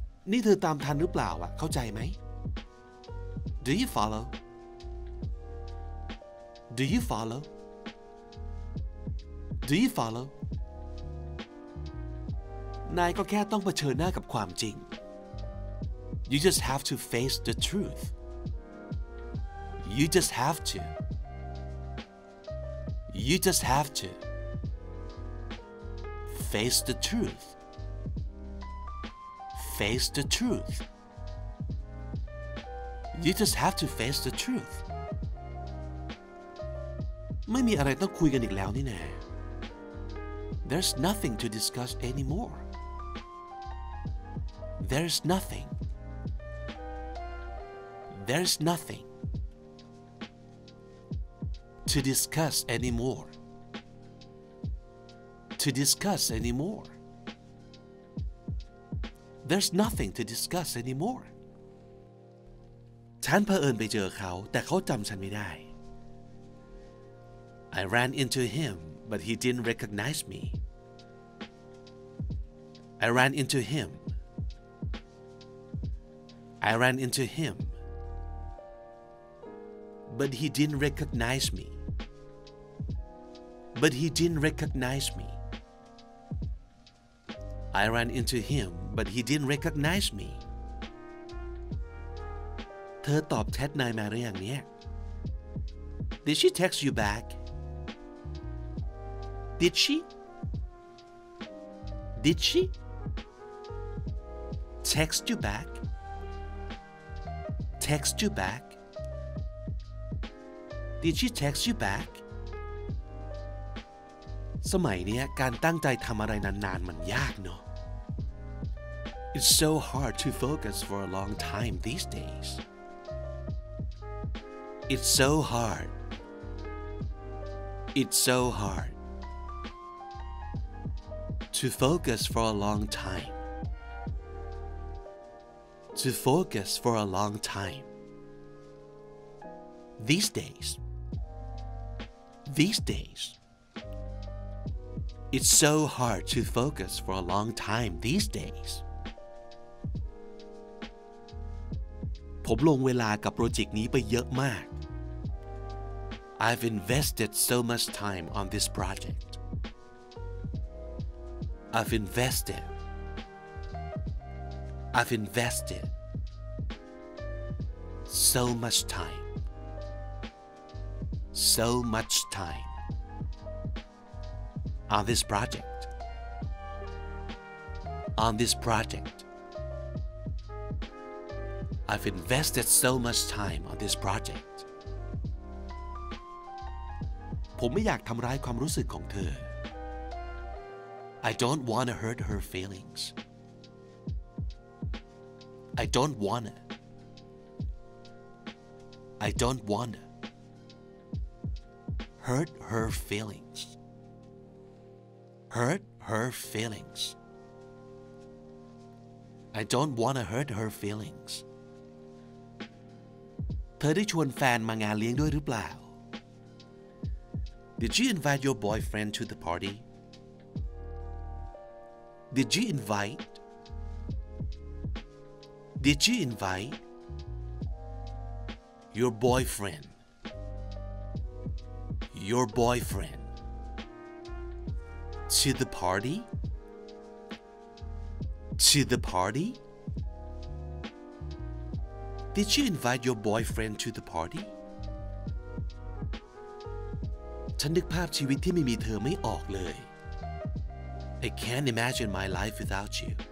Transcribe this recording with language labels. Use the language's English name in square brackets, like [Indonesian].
[Thai] นี่เธอตามทันหรือเปล่าอ่ะเข้าใจไหม [English] Do you follow? Do you follow? Do you follow? [Thai] นายก็แค่ต้องเผชิญหน้ากับความจริง [English] You just have to face the truth. You just have to. You just have to. Face the truth. Face the truth. You just have to face the truth. [Thai] ไม่มีอะไรต้องคุยกันอีกแล้วนี่นะ [English] There's nothing to discuss anymore. There's nothing. There's nothing to discuss anymore. To discuss anymore. There's nothing to discuss anymore. [Thai] ฉันเผอิญไปเจอเขาแต่เขาจำฉันไม่ได้ [English] I ran into him, but he didn't recognize me. I ran into him. I ran into him, but he didn't recognize me. But he didn't recognize me. I ran into him, but he didn't recognize me. [Thai] เธอตอบแชทนายมาหรือยังเนี่ย [English] Did she text you back? Did she? Did she? Text you back? Text you back? Did she text you back? [Thai] สมัยนี้การตั้งใจทำอะไรนานๆมันยากเนอะ [English] It's so hard to focus for a long time these days. It's so hard. It's so hard. To focus for a long time. To focus for a long time. These days, these days, it's so hard to focus for a long time these days. [Thai] ผมลงเวลากับโปรเจกต์นี้ไปเยอะมาก [English] I've invested so much time on this project. I've invested. I've invested so much time. So much time on this project. On this project, I've invested so much time on this project. [Thai] ผมไม่อยากทำร้ายความรู้สึกของเธ [English] อ I don't want to hurt her feelings. I don't want to. I don't want to. Hurt her feelings. Hurt her feelings. I don't want to hurt her feelings. [Thai] เธอได้ชวนแฟนมางานเลี้ยงด้วยหรือเปล่า [English] Did you invite your boyfriend to the party? Did you invite? Did you invite your boyfriend? Your boyfriend to the party? To the party? Did you invite your boyfriend to the party? [Thai] ฉันนึกภาพชีวิตที่ไม่มีเธอไม่ออกเลย [English] I can't imagine my life without you.